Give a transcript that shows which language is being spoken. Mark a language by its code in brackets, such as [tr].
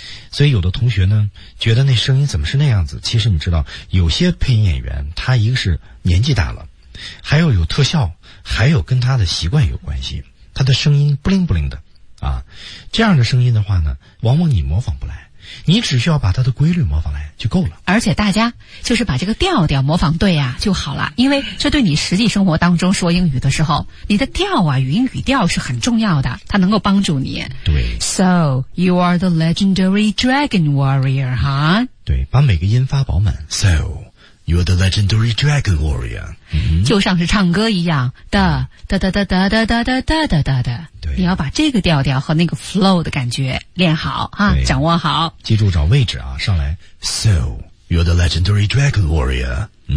[zh] 所以有的同学呢觉得那声音怎么是那样子？其实你知道，有些配音演员他一个是年纪大了，还要有特效，还有跟他的习惯有关系，他的声音不灵不灵的啊，这样的声音的话呢，往往你模仿不来，你只需要把他的规律模仿来就够了。而且大家就是把这个调调模仿对啊就好了，因为这对你实际生活当中说英语的时候，你的调啊，语音语调是很重要的，它能够帮助你。对 [en] ，So you are the legendary dragon warrior, huh? [zh] 对，把每个音发饱满。 [en] So you're the legendary dragon warrior。 [zh] 就像是唱歌一样的哒哒哒哒哒哒哒哒哒哒哒，你要把这个调调和那个 flow 的感觉练好啊，掌握好，记住找位置啊，上来 [en] So you're the legendary dragon warrior。